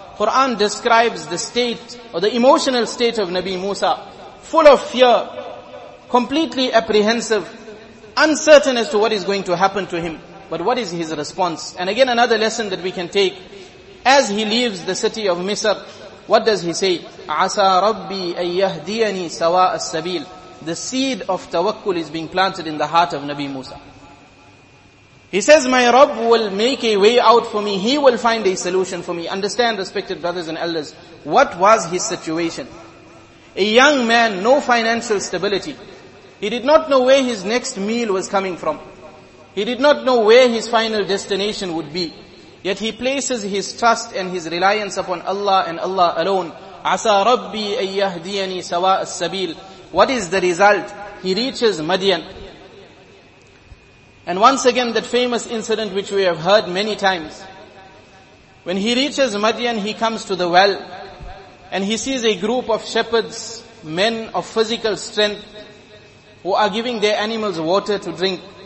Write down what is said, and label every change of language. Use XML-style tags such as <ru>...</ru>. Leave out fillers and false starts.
<en>Quran describes the state, or the emotional state, of Nabi Musa, full of fear, completely apprehensive, uncertain as to what is going to happen to him. But what is his response? And again, another lesson that we can take. As he leaves the city of Misr, what does he say?</en> <ar>عَسَى رَبِّي أَن يَهْدِيَنِي سَوَاءَ السَّبِيلِ.</ar> <en>The seed of tawakkul is being planted in the heart of Nabi Musa. He says, my Rabb will make a way out for me. He will find a solution for me. Understand, respected brothers and elders, what was his situation? A young man, no financial stability. He did not know where his next meal was coming from. He did not know where his final destination would be. Yet he places his trust and his reliance upon Allah and Allah alone.</en> <ar>عَسَى رَبِّي أَن يَهْدِيَنِي سَوَاءَ السَّبِيلِ.</ar> <en>What is the result? He reaches Madian. And once again, that famous incident which we have heard many times. When he reaches Madian, he comes to the well, and he sees a group of shepherds, men of physical strength, who are giving their animals water to drink.</en>